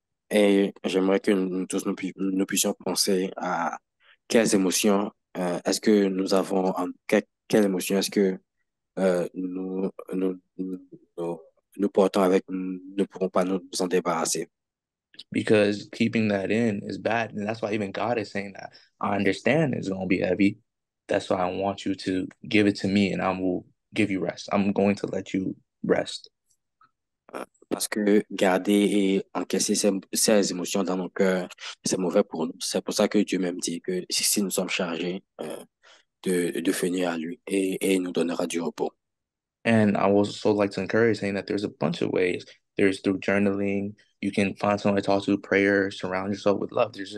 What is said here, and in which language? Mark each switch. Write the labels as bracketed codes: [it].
[fr] Et j'aimerais que nous tous nous puissions penser à quelles émotions est-ce que nous avons quelles émotions est-ce que nous portons avec nous ne pourrons pas nous en débarrasser. [en] Because keeping that in is bad, and that's why even God is saying that I understand it's going to be heavy. That's why I want you to give it to me, and I will give you rest. I'm going to let you rest. [fr] Parce que garder et encaisser ces émotions dans nos cœurs, c'est mauvais pour nous. C'est pour ça que Dieu même dit que si nous sommes chargés de venir à lui et nous donnera du repos. [en] And I would also like to encourage saying that there's a bunch of ways. There's through journaling. You can find someone to talk to, prayer, surround yourself with love.